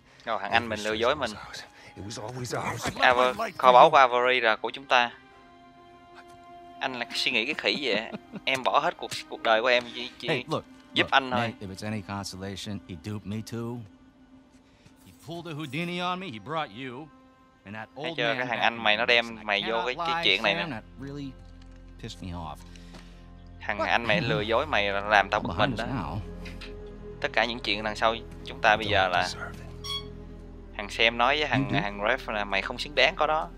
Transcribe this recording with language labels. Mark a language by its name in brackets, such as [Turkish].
[Vietnamese] Oh, thằng anh mình lừa dối mình. [English] It was always ours. [Vietnamese] Kho báu của Avery là của chúng ta. Anh là suy nghĩ cái khỉ gì vậy? Em bỏ hết cuộc đời của em chỉ [English] hey, look, [Vietnamese] giúp [English] look, [Vietnamese] anh thôi. [English] Nate, if it's any consolation, he duped me too. He pulled a Houdini on me, he brought you. [Vietnamese] And that old man, cái thằng anh mày nó đem mày vô cái chuyện này nè. Really thằng anh mày lừa dối mày làm tao bực mình đó. tất cả những chuyện đằng sau chúng ta bây giờ là thằng Sam nói với thằng thằng Rafe là mày không xứng đáng có đó.